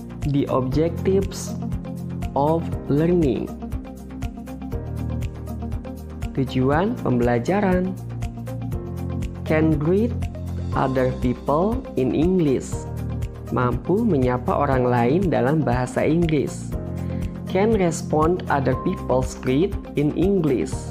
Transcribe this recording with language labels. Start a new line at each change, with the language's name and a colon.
English: The objectives of learning.
Indonesian: Tujuan pembelajaran.
English: Can greet other people in English.
Indonesian: Mampu menyapa orang lain dalam bahasa Inggris.
English: Can respond other people's greet in English.